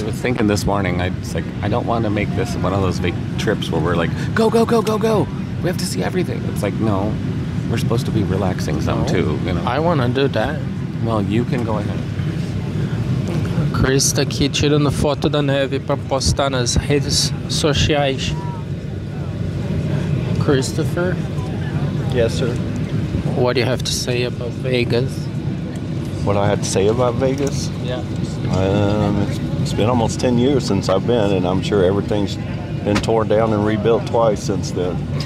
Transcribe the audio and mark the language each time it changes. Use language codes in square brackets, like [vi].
[en] I was thinking this morning, I was like, I don't want to make this one of those big trips where we're like, go, go, go, go, go! We have to see everything. It's like, no. We're supposed to be relaxing some, too, you know. I want to do that. Well, you can go ahead. [pt] Chris tá aqui tirando foto da neve para postar nas redes sociais. [en] Christopher? Yes, sir. What do you have to say about Vegas? What do I have to say about Vegas? Yeah. It's been almost 10 years since I've been, and I'm sure everything's been torn down and rebuilt twice since then.